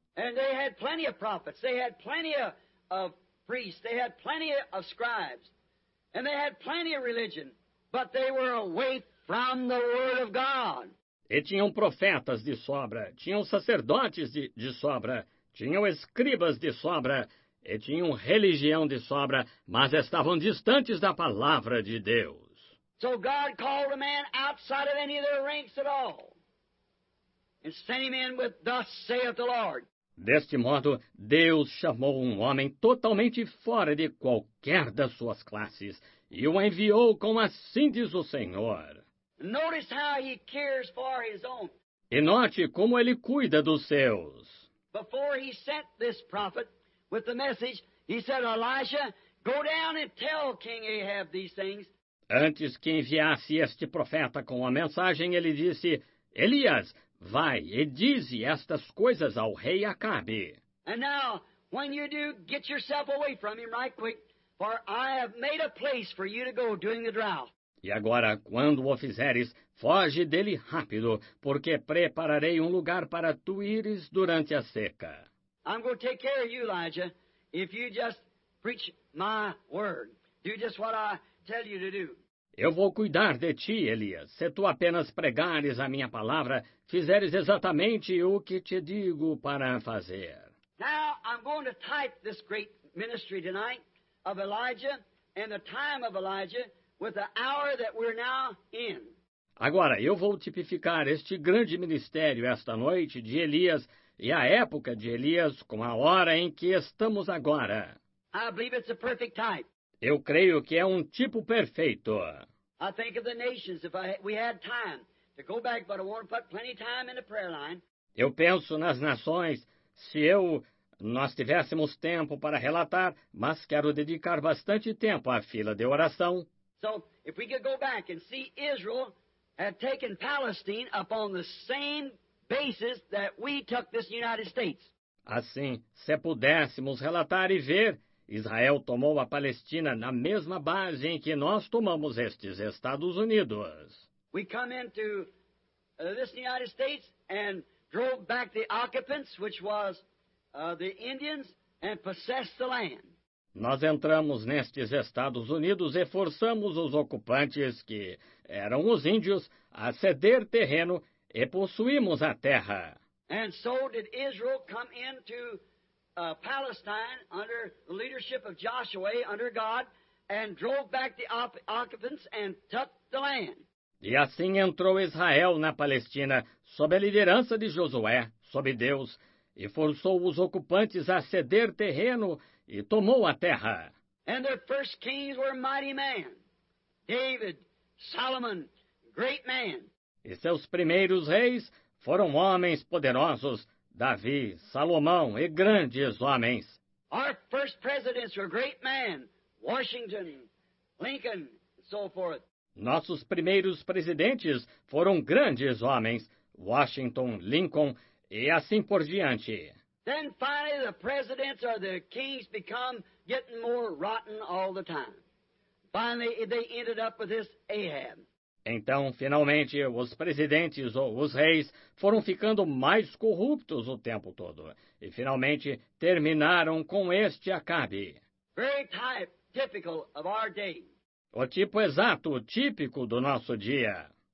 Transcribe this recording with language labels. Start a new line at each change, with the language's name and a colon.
English: And they had plenty of prophets. They had plenty of priests. They had plenty of scribes. And they had plenty of religion, but they were away from the word of God.
Portuguese: E tinham profetas de sobra, tinham sacerdotes de sobra, tinham escribas de sobra, e tinham religião de sobra, mas estavam distantes da palavra de Deus.
English: So God called a man outside of any of their ranks at all, and sent him in with, thus saith the Lord.
Portuguese: Deste modo, Deus chamou um homem totalmente fora de qualquer das suas classes e o enviou com assim diz o Senhor.
English: Notice how he cares for his own.
Portuguese: E note como ele cuida dos seus.
English: Before he sent this prophet with the message, he said, Elisha, go down and tell King Ahab these things.
Portuguese: Antes que enviasse este profeta com a mensagem, ele disse, Elias, vai e dize estas coisas ao rei Acabe.
English: And now, when you do, get yourself away from him right quick, for I have made a place for you to go during the drought.
Portuguese: E agora, quando o fizeres, foge dele rápido, porque prepararei um lugar para tu ires durante a seca.
English: I'm going to take care of you, Elijah, if you just preach my word. Do just what I tell you to do.
Portuguese: Eu vou cuidar de ti, Elias, se tu apenas pregares a minha palavra, fizeres exatamente o que te digo para fazer.
English: Now, I'm going to type this great ministry tonight of Elijah and the time of Elijah with the hour that we're now in.
Portuguese: Agora, eu vou tipificar este grande ministério esta noite de Elias e a época de Elias com a hora em que estamos agora.
English: I believe it's a perfect type.
Portuguese: Eu creio que é um tipo perfeito.
English: I think of the nations, if we had time to go back, but I want to put plenty of time in the prayer line.
Portuguese: Eu penso nas nações, se nós tivéssemos tempo para relatar, mas quero dedicar bastante tempo à fila de oração.
English: So, if we could go back and see Israel had taken Palestine upon the same basis that we took this United States.
Portuguese: Assim, se pudéssemos relatar e ver, Israel tomou a Palestina na mesma base em que nós tomamos estes Estados Unidos.
English: We come into this United States and drove back the occupants, which was the Indians, and possessed the land.
Portuguese: Nós entramos nestes Estados Unidos e forçamos os ocupantes, que eram os índios, a ceder terreno e possuímos a terra.
English: And so did Israel come into Palestine under the leadership of Joshua under God and drove back the occupants and took the land.
Portuguese: E assim entrou Israel na Palestina sob a liderança de Josué, sob Deus, e forçou os ocupantes a ceder terreno e tomou a terra.
English: And their first kings were mighty men. David, Solomon, great man.
Portuguese: E seus primeiros reis foram homens poderosos, Davi, Salomão e grandes homens.
English: Our first presidents were great men, Washington, Lincoln, and so forth.
Portuguese: Nossos primeiros presidentes foram grandes homens, Washington, Lincoln e assim por diante.
English: Then finally the presidents or the kings become getting more rotten all the time. Finally they ended up with this Ahab.
Portuguese: Então, finalmente, os presidentes ou os reis foram ficando mais corruptos o tempo todo. E, finalmente, terminaram com este Acabe.
English: Very type, typical of our day.
Portuguese: O tipo exato, típico do nosso dia.